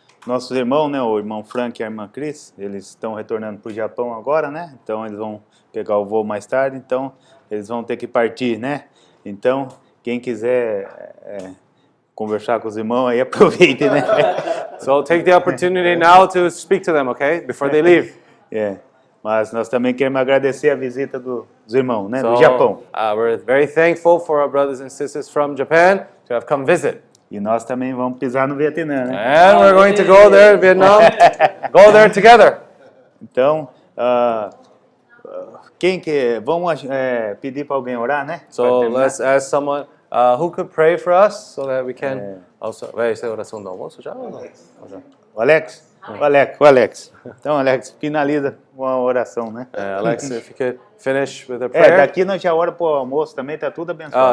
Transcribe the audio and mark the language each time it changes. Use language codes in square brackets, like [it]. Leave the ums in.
[pt] Nossos irmãos, né, o irmão Frank e a irmã Chris, eles estão retornando para o Japão agora, né? Então eles vão pegar o voo mais tarde. Então eles vão ter que partir, né? Então quem quiser conversar com os irmãos aí aproveite, né? [en] so take the opportunity now to speak to them, okay? Before they leave. yeah. [pt] Mas nós também queremos agradecer a visita do, dos irmãos, né, so, do Japão. [en] Uh, we're very thankful for our brothers and sisters from Japan to have come visit. [pt] E nós também vamos pisar no Vietnã, né? [en] And we're going to go there, Vietnam. go there together. [pt] então, quem uh, que uh, vamos pedir para alguém orar, né? [en] So let's ask someone uh, who could pray for us so that we can also. [pt] Vai ser oração do almoço já? Alex. Alex. O Alex, o Alex. Então, Alex, finaliza com a oração, né? [en] Alex, if you could finish with a prayer. [pt] É, daqui nós já hora para o almoço também, está tudo abençoado.